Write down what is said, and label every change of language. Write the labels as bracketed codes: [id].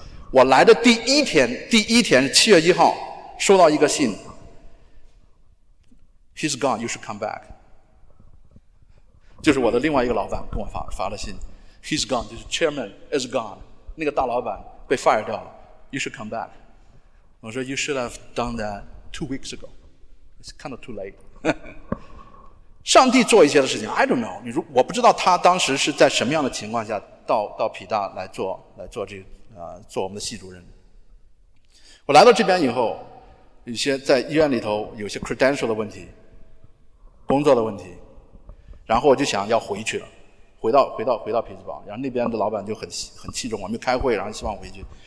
[zh] 我来的第一天是7月1号，收到一个信 ， [en] He's gone, you should come back。 [zh] 就是我的另外一个老板跟我发了信 ， [en] He's gone， [zh] 就是 [en] Chairman is gone， [zh] 那个大老板被 fire 掉了 ， [en] You should come back。 [zh] 我说 [en] You should have done that 2 weeks ago. It's kind of too late. [zh] 上帝做一些的事情 [en] I don't know. [zh] 我不知道他当时是在什么样的情况下到匹大来做这个做我们的系主任。我来到这边以后，有些在医院里头有些 credential 的问题，工作的问题，然后我就想要回去了，回到匹兹堡，然后那边的老板就很器重，我们开会，然后希望回去。